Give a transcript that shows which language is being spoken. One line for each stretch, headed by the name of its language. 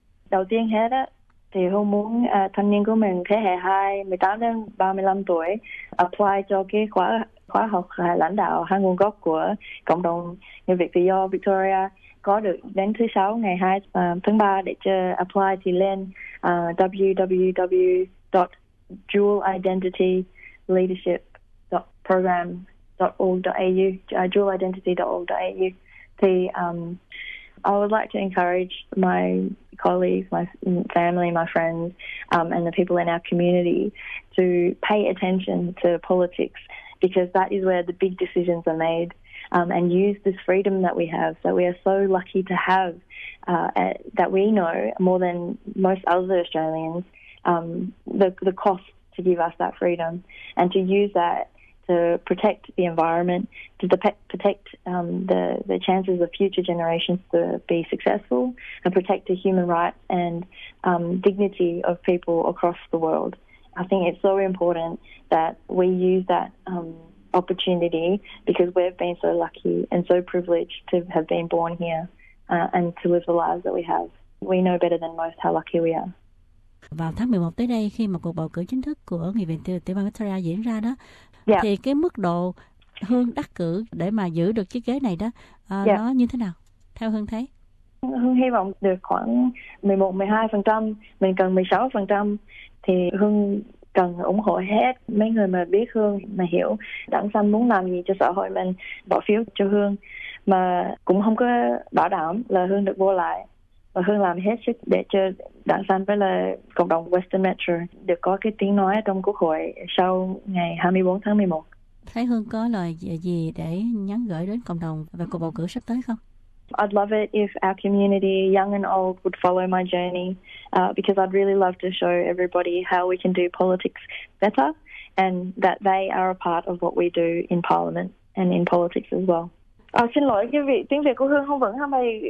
Vietnamese: Đầu tiên hết á, thì Hương muốn thanh niên của mình thế hệ 2, 18 đến 35 tuổi apply cho cái khóa học lãnh đạo hai nguồn gốc của cộng đồng người Việt tự do Victoria, có được đến thứ 6 ngày 2 tháng 3 để cho apply thì lên www.dualidentityleadership.program.org.au dualidentity.org.au.
English: Thì I would like to encourage my colleagues, my family, my friends, and the people in our community to pay attention to politics, because that is where the big decisions are made, and use this freedom that we have, that we are so lucky to have, that we know more than most other Australians, the cost to give us that freedom, and to use that to protect the environment, to protect the chances of future generations to be successful, and protect the human rights and dignity of people across the world. I think it's so important that we use that opportunity, because we've been so lucky and so privileged to have been born here and to live the lives that we have. We know better than most how lucky we are.
Vietnamese: Vào tháng 11 tới đây, khi mà cuộc bầu cử chính thức của nghị viện tiểu bang Victoria diễn ra đó, yeah, thì cái mức độ Hương đắc cử để mà giữ được chiếc ghế này đó nó như thế nào theo Hương thấy? Hương hy vọng được khoảng 11-12%, mình cần 16%, thì Hương cần ủng hộ hết mấy người mà biết Hương, mà hiểu Đảng Xanh muốn làm gì cho xã hội mình, bỏ phiếu cho Hương, mà cũng không có bảo đảm là Hương được vô lại. Và Hương làm hết sức để cho Đảng Xanh với là cộng đồng Western Metro được có cái tiếng nói trong quốc hội sau ngày 24 tháng 11. Thấy Hương có lời gì để nhắn gửi đến cộng đồng về cuộc bầu cử sắp tới không?
English: I'd love it if our community, young and old, would follow my journey, because I'd really love to show everybody how we can do politics better, and that they are a part of what we do in Parliament and in politics as well.
Vietnamese: À, xin lỗi quý vị, tiếng Việt của Hương không vững hôm nay.